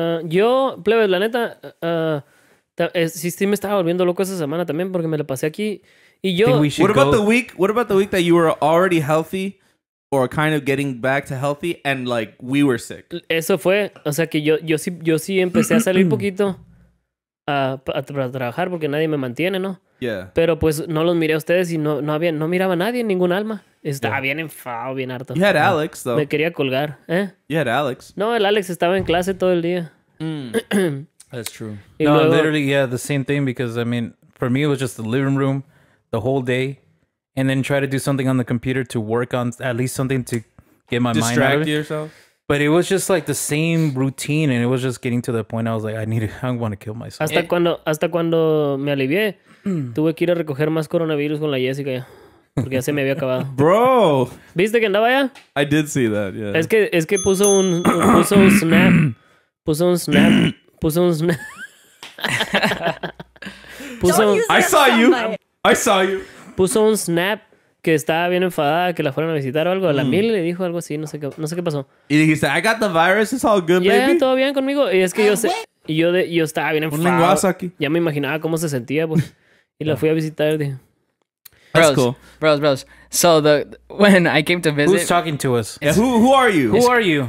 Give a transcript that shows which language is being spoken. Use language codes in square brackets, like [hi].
[es] Yo, plebe, la neta, sí me estaba volviendo loco esa semana también porque me la pasé aquí. Y yo, [en] What about the week that you were already healthy or kind of getting back to healthy and like we were sick? [es] Eso fue, o sea que yo sí empecé a salir poquito. Para trabajar porque nadie me mantiene, ¿no? [en] Yeah. [es] Pero pues no los miré a ustedes y no miraba a nadie, ningún alma. Estaba bien enfadado, bien harto. [en] You had Alex, though. [es] Me quería colgar, ¿eh? [en] You had Alex. [es] No, el Alex estaba en clase todo el día. [en] That's true. [es] Y no, luego... [en] literally, yeah, the same thing because, I mean, for me, it was just the living room the whole day and then try to do something on the computer to work on at least something to get my distract mind out of it. Distract yourself. But it was just like the same routine, and it was just getting to the point I was like, I want to kill myself. [es] Hasta cuando me alivié, tuve que ir a recoger más coronavirus con la Jessica ya, porque ya se me había acabado. [en] Bro, [es] ¿viste que andaba ya? [en] I did see that. Yeah. [es] Es que puso un snap. [en] I saw you. [es] Puso un snap. Que estaba bien enfadada que la fueran a visitar o algo. La Mil le dijo algo así, no sé qué pasó. Y dijiste, [en] I got the virus, it's all good, yeah, baby. [es] Todo bien conmigo. Y es que yo estaba bien enfadado. Un lenguazo aquí. Ya me imaginaba cómo se sentía, pues. Y la fui a visitar y dije... [en] That's cool. Bros. So, when I came to visit... Who's talking to us? Yeah, who are you? Who are you?